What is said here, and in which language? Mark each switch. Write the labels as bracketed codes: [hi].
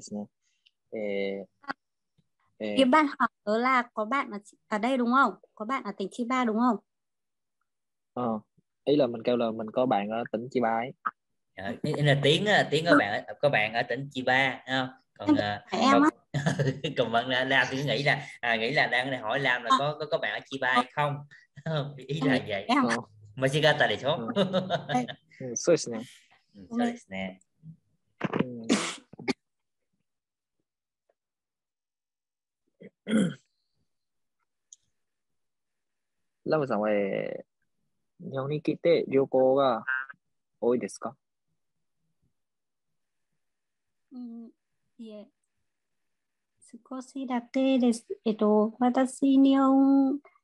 [ja] いるけど、3人だけにいます。いや、ラムさん、ちょっとわからないですね。え、え、 [vi] bạn học ở là có bạn ở đây đúng không? Có bạn ở tỉnh Chiba đúng không? Ý là mình kêu là mình có bạn ở tỉnh Chiba ấy. Ý là tiếng có bạn ở tỉnh Chiba, không? Còn em á. Còn Lam thì nghĩ là đang hỏi Lam là có bạn ở Chiba hay không? [ja] いいじゃん。間違ったでしょ。そうですね。ラムさんは日本に来て旅行が多いですか？いえ、少しだけです。私日本